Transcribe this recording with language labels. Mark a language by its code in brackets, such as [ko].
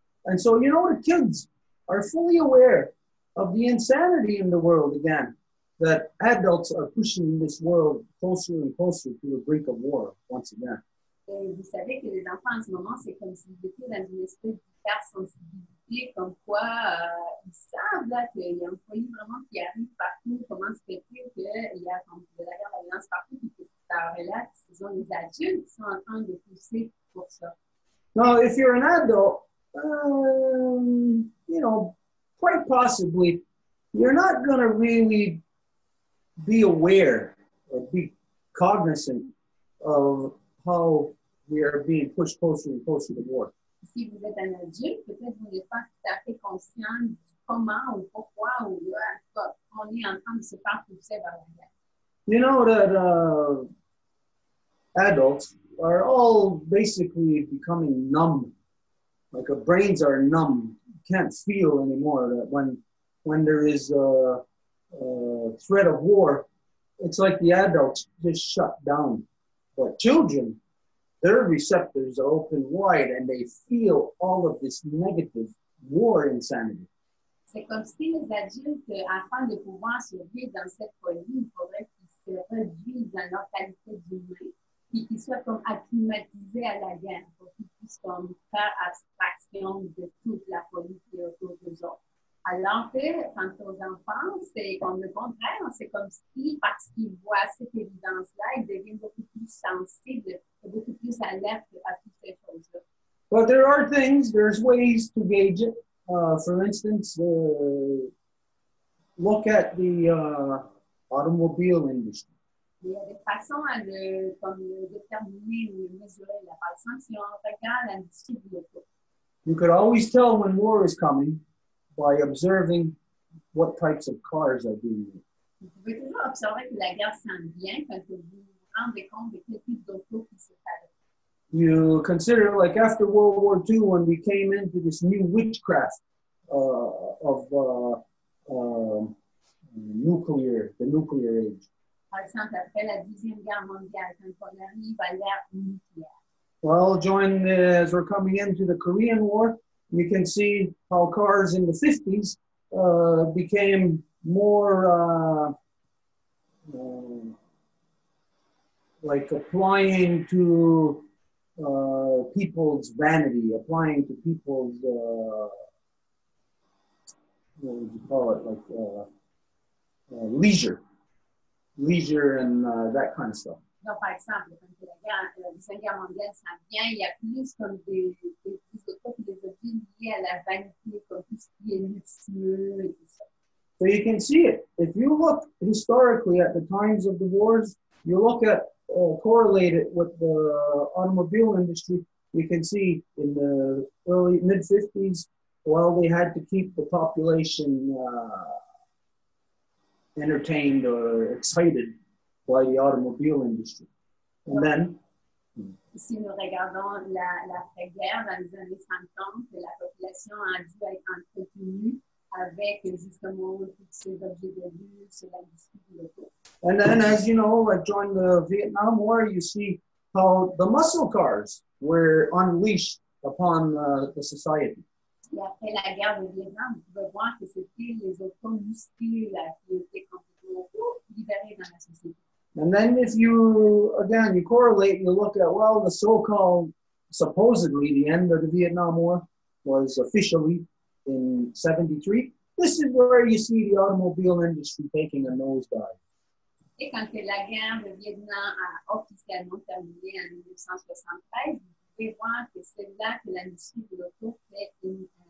[en] And so, you know, the kids are fully aware of the insanity in the world again, that adults are pushing this world closer and closer to the brink of war once again. [fr] Et vous savez que les enfants en ce moment, c'est comme s'ils étaient dans une espèce d'hypersensibilité, comme quoi ils savent là qu'il y a un foyer vraiment qui arrive partout, comment se fait-il qu'il y a comme de la guerre, la violence partout, et que ça relate, ce sont les adultes qui sont en train de pousser pour ça. [en] Now, if you're an adult, you know, quite possibly, you're not going to really be aware or be cognizant of how we are being pushed closer and closer to war. [fr] Si vous êtes un adulte, peut-être vous n'êtes pas tout à fait conscient de comment ou pourquoi ou on est en train de se faire pousser vers la guerre. [en] You know that adults are all basically becoming numb. Like our brains are numb. You can't feel anymore that when there is threat of war, it's like the adults just shut down. But children, their receptors are open wide and they feel all of this negative war insanity. [fr] C'est comme si les adultes, afin de pouvoir survivre dans cette folie, il faudrait qu'ils se réduisent dans leur qualité d'humain et qu'ils soient comme acclimatisés à la guerre pour qu'ils puissent comme faire abstraction de toute la folie qui est autour d'eux autres. Alors que, quant aux enfants, c'est comme le contraire, c'est comme si, parce qu'ils voient cette évidence-là, ils deviennent beaucoup plus sensibles, beaucoup plus alertes à toutes ces choses-là. [en] But there are things, there's ways to gauge it. For instance, look at the automobile industry. [fr] Il y a des façons à le, comme le déterminer ou le mesurer. Là. Par exemple, si on regarde l'industrie de l'auto. [en] You could always tell when war is coming by observing what types of cars are being used. [fr] Vous pouvez toujours observer que la guerre s'en vient quand vous vous rendez compte de quel type d'auto qui se fait. [en] You consider, like, after World War II, when we came into this new witchcraft the nuclear age. [fr] Par exemple, après la Deuxième Guerre mondiale, quand on arrive à l'ère nucléaire. [en] Well, join as we're coming into the Korean War, you can see how cars in the 50s became more like applying to people's vanity, applying to people's, what would you call it, like leisure and that kind of stuff. [fr] Donc, par exemple, quand la Deuxième Guerre mondiale s'en vient, il y a plus comme des autres des objets liés à la vanité, comme tout ce qui est luxueux et tout ça. [en] So you can see it. If you look historically at the times of the wars, you look at correlated with the automobile industry, you can see in the early, mid-50s, well, they had to keep the population entertained or excited by the automobile industry. And then? [fr] Si nous regardons la guerre dans les années 50, la population a dû être entretenue avec justement tous ces objets de luxe, l'industrie de l'auto. [en] And then, as you know, like during the Vietnam War, you see how the muscle cars were unleashed upon the society. [fr] Et après la guerre du Vietnam, on peut voir que c'était les autos musculaires qui étaient complètement libérées dans la société. [en] And then if you, again, you correlate and you look at, well, the so-called, supposedly, the end of the Vietnam War was officially in 73. This is where you see the automobile industry taking a nosedive. [fr] Et quand la guerre de Vietnam a officiellement terminé en 1973, vous pouvez voir que c'est là que l'industrie de l'auto fait une